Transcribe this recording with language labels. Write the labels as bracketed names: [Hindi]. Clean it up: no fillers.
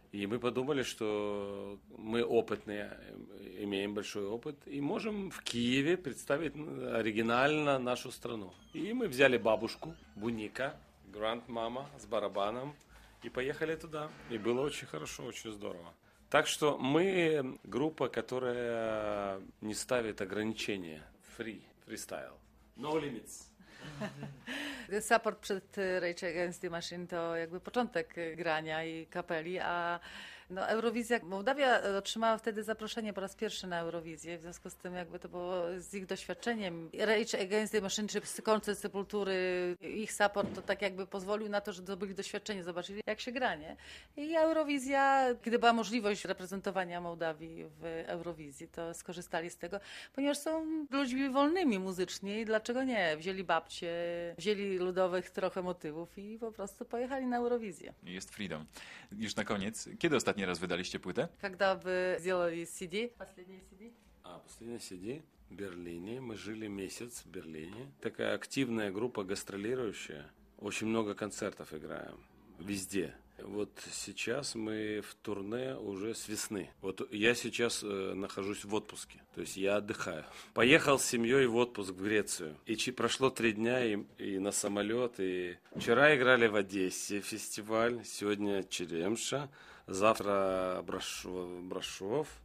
[Russian] И мы подумали, что мы опытные, имеем большой опыт, и можем в Киеве представить оригинально нашу страну. И мы взяли бабушку, Буника, грандмама с барабаном, и поехали туда. И было очень хорошо, очень здорово. Так что мы группа, которая не ставит ограничения. [English] Фристайл. No limits. [Polish] Support przed Rage Against the Machine to jakby początek grania i kapeli, a no Eurowizja, Mołdawia otrzymała wtedy zaproszenie po raz pierwszy na Eurowizję, w związku z tym jakby to było z ich doświadczeniem. Rage Against the Machine, czy koncert Sepultury, ich support to tak jakby pozwolił na to, że zdobyli doświadczenie, zobaczyli jak się gra, nie? I Eurowizja, kiedy była możliwość reprezentowania Mołdawii w Eurowizji, to skorzystali z tego, ponieważ są ludźmi wolnymi muzycznie i dlaczego nie? Wzięli babcie, wzięli ludowych trochę motywów i po prostu pojechali na Eurowizję. Jest freedom. Już na koniec, kiedy ostatni raz wydaliście płytę? Kiedy wy zrobili CD? Ostatnie CD w Berlinie. My żyli miesiąc w Berlinie. Taka aktywna grupa gastrolująca. Bardzo dużo koncertów grają. Wszędzie. [Russian] Вот сейчас мы в турне уже с весны. Вот я сейчас нахожусь в отпуске, то есть я отдыхаю. Поехал с семьей в отпуск в Грецию. И прошло 3 дня и на самолет. И вчера играли в Одессе фестиваль, сегодня Черемша, завтра Брашов.